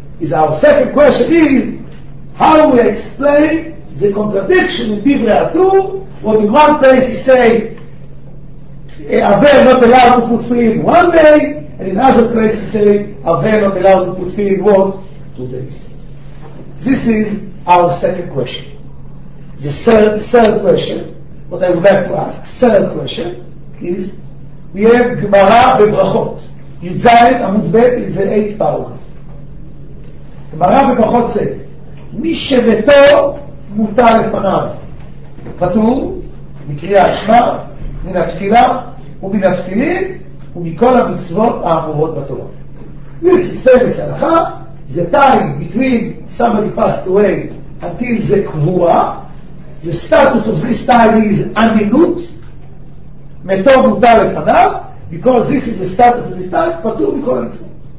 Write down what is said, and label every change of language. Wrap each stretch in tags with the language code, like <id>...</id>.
<en>Is our second question is, how we explain the contradiction in Divrei HaTur, when in one place he say, Aver not allowed to put tefillin one day, and in another place he say, Aver not allowed to put tefillin what? 2 days. This is our second question. The third question, what I would like to ask, third question, is we have Gemara בברכות.</en> <he>י"ז עמוד ב'</he> <en>is the 8th paragraph.</en> <he>Gemara בברכות זה, מי שבתו מותר לפניו. פטור מקריאת שמע, מן התפילה ומן התפילין ומכל המצוות האמורות בתורה.</he> <en>This is famous הלכה, the time between somebody passed away until the קבורה, the status of this time is עניינות,</en> <he>מתו מותר לפניו,</he> <en>because this is the status of this time,</en> <he>פטור מכל המצוות.</he>